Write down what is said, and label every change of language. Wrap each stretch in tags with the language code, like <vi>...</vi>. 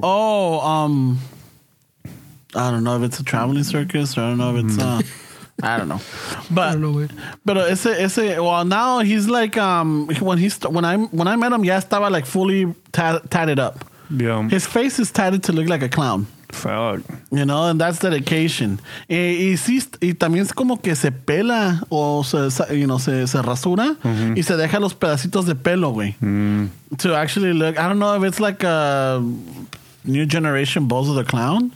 <en>Oh, I don't know if it's a traveling circus or I don't know if it's I don't know. But well, now he's like when I met him, yeah, estaba like fully tatted up. Yeah. His face is tatted to look like a clown. Fuck. You know, and that's dedication.</en> <es>Y también es como que se pela o se rasura y se deja los pedacitos de pelo, güey.</es> <en>To actually look, I don't know if it's like a new generation Bozo the Clown.</en>